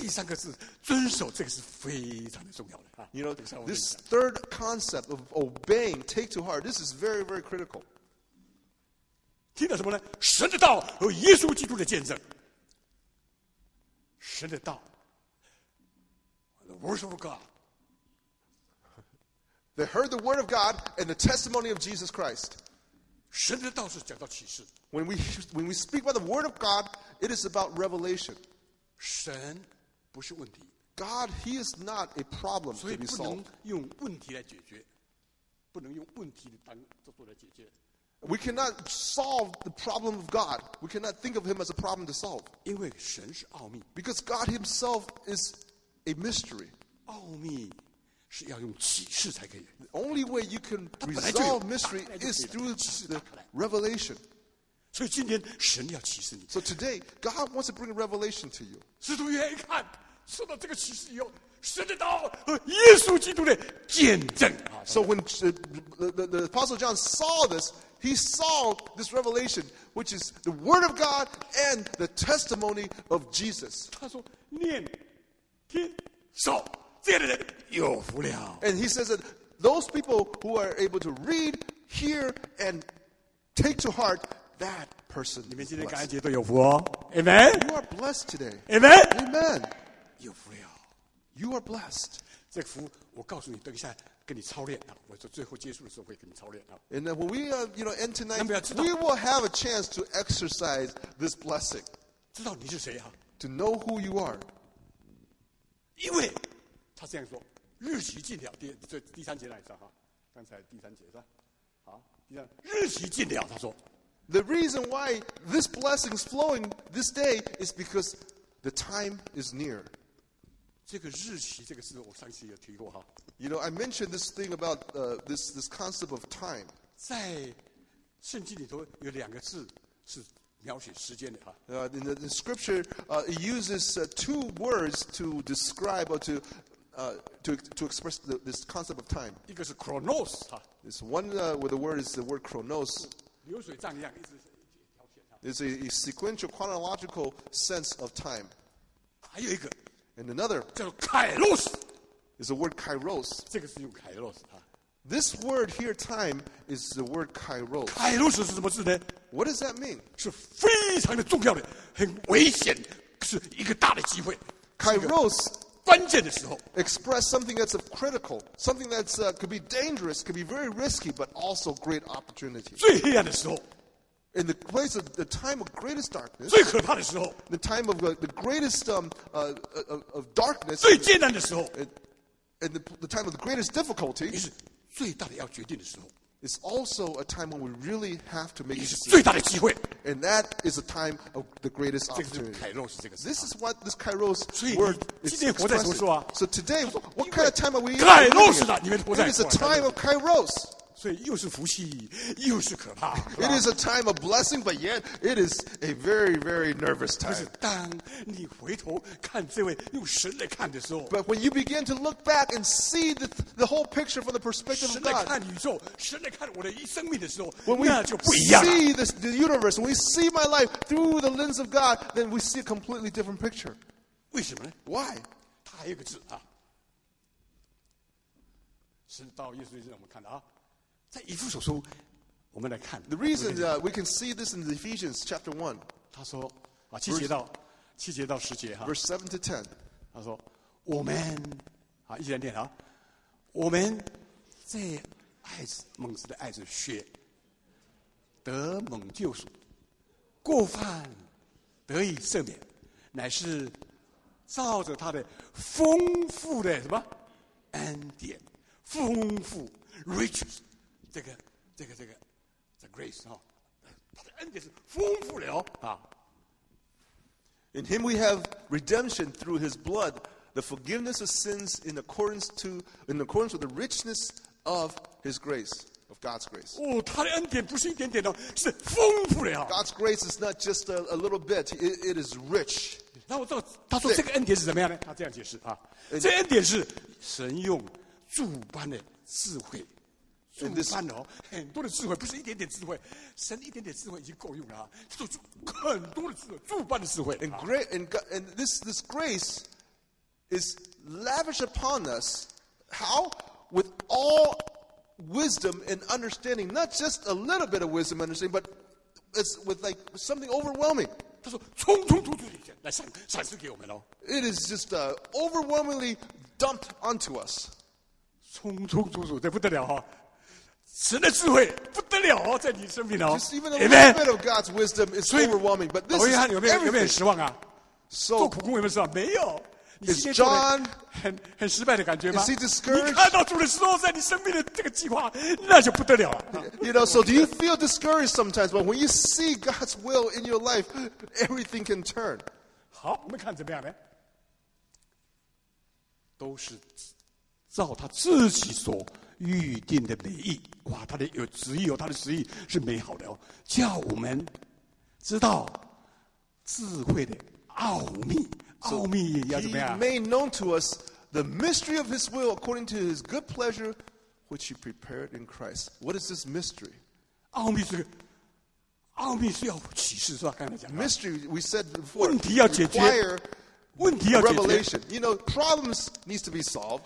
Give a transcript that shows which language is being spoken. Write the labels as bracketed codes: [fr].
[zh] 第三个字，遵守，这个是非常的重要的。 [en] You know, this third concept of obeying, take to heart, this is very, very critical. [zh] 听到什么呢？神的道和耶稣基督的见证。神的道 [en] ，the words of God. They heard the word of God and the testimony of Jesus Christ. [zh] 神的道是讲到启示。 [en] When we speak about the word of God, it is about revelation. [zh] 神不是问题。 [en] God, he is not a problem to be solved. [zh] 所以不能用问题来解决，不能用问题当作来解决。 [en] We cannot solve the problem of God. We cannot think of him as a problem to solve. [zh] 因为神是奥秘。 [en] Because God himself is a mystery. [zh] 奥秘。是要用启示才可以。 [en] The only way you can resolve mystery is through the revelation. [zh] 所以今天神要启示你。 [en] So today, God wants to bring a revelation to you. [zh] 使徒约翰一看，受到这个启示以后，神的道和耶稣基督的见证。 [en] So when the Apostle John saw this, he saw this revelation, which is the word of God and the testimony of Jesus. [zh] 他说：“念，听，受。” 这样的人有福了。 [en] And he says that those people who are able to read, hear, and take to heart, that person. [zh] 你们今天感恩节都有福哦。 [en] Amen. You are blessed today. Amen. Amen. [zh] 有福了。 [en] You are blessed. [zh] 这个福，我告诉你，等一下跟你操练啊。我说最后结束的时候会跟你操练啊。 [en] And when we end tonight, we will have a chance to exercise this blessing. [zh] 知道你是谁啊？ [en] To know who you are. [zh] 因为他这样说，日期近了，第三节来着哈，刚才第三节是吧？好，第三日期近了，他说 [en] ，The reason why this blessing is flowing this day is because the time is near。 [zh] 这个日期这个事，我上次也提过哈。 [en] You know, I mentioned this thing about this concept of time。 [zh] 在圣经里头有两个字是。描写时间的哈。 [en] In scripture, it uses two words to describe or to express this concept of time. [zh] 一个是 chronos 哈。 [en] It's one where the word is the word chronos. [zh] 流水账一样，一直条线。 [en] It's a sequential chronological sense of time. [zh] 还有一个。 [en] And another. [zh] 叫 kairos. [en] Is the word kairos. [zh] 这个是用 kairos 哈。 [en] This word here, time, is the word kairos. [zh] Kairos 是什么字呢？ [en] What does that mean? [zh] 是非常的重要的，很危险，是一个大的机会。 [en] Kairos [zh] 关键的时候 [en] express something that's critical, something that's could be dangerous, could be very risky, but also great opportunity. [zh] 最黑暗的时候 [en] in the place of the time of greatest darkness. [zh] 最可怕的时候 [en] the time of the greatest of darkness. [zh] 最艰难的时候 [en] in the time of the greatest difficulty. [zh] 最大的要决定的时候 [en] It's also a time when we really have to make a decision. [zh] 最大的机会 [en] And that is a time of the greatest opportunity. [zh] 这个是凯洛斯这个词。 [en] This is what this Kairos word is expressing. So today, what kind of time are we in? [zh] 凯洛斯的，你们活在。 [en] It is a time of Kairos. [zh] 所以又是福气，又是可怕。 [en] It is a time of blessing, but yet it is a very, very nervous time. [zh] 就是当你回头看这位用神来看的时候 [en] ，But when you begin to look back and see the whole picture from the perspective of God, [zh] 神来看宇宙，神来看我的一生命的时候 [en] ，When we [zh] 那就不一样了。 [en] See the universe, when we see my life through the lens of God, then we see a completely different picture. [zh] 为什么呢 [en] ？Why? [zh] 他还有个字啊，神道耶稣基督让我们看的啊。在以弗所书，我们来看。 [en] The reason that we can see this in Ephesians chapter 1. [zh] 他说啊，七节到七节到十节哈。 [en] Verse 7 to 10. [zh] 他说，我们啊，一起来念啊，我们在爱子蒙子的爱子学得蒙救赎，过犯得以赦免，乃是照着他的丰富的什么恩典，丰富 riches 这个 [en] the grace [zh] 哦，他的恩典是丰富的哦啊。 [en] In him we have redemption through his blood, the forgiveness of sins in accordance with the richness of his grace, of God's grace. [zh] 哦，他的恩典不是一点点哦，是丰富的哦。 [en] God's grace is not just a little bit; it is rich. [zh] 那我他说这个恩典是怎么样呢？他这样解释啊，这恩典是神用诸般的智慧。 [en] And this, [zh] 很多的智慧，不是一点点智慧，神一点点智慧已经够用了，就很多的智慧，诸般的智慧。 [en] And great, and God, and this grace is lavished upon us, how? With all wisdom and understanding, not just a little bit of wisdom and understanding, but it's with like something overwhelming. [zh] 他说，冲来赏赐给我们喽。 [en] It is just overwhelmingly dumped onto us. [zh] 冲这不得了哈。神的智慧不得了哦，在你身边哦。 [en] Just even a little bit of God's wisdom is overwhelming, but this is everything. [zh] 有没有失望啊？做苦工有没有失望？没有。 [en] Is John [zh] 很失败的感觉吗？ [en] Is he discouraged? [zh] 你看到主的时候，在你身边的这个计划，那就不得了了。 [en] You know, so do you feel discouraged sometimes? But when you see God's will in your life, everything can turn. [zh] 好，我们看怎么样呢？都是照他自己所预定的美意，哇！他的有旨意，有他的旨意是美好的哦，叫我们知道智慧的奥秘，奥秘也要怎么样 [en] ？He made known to us the mystery of His will according to His good pleasure, which He prepared in Christ. What is this mystery? [zh] 奥秘是要启示是吧？刚才讲的 [en] mystery, we said before. [zh] 问题要解决。问题要解决。 [en] Revelation, you know, problems needs to be solved.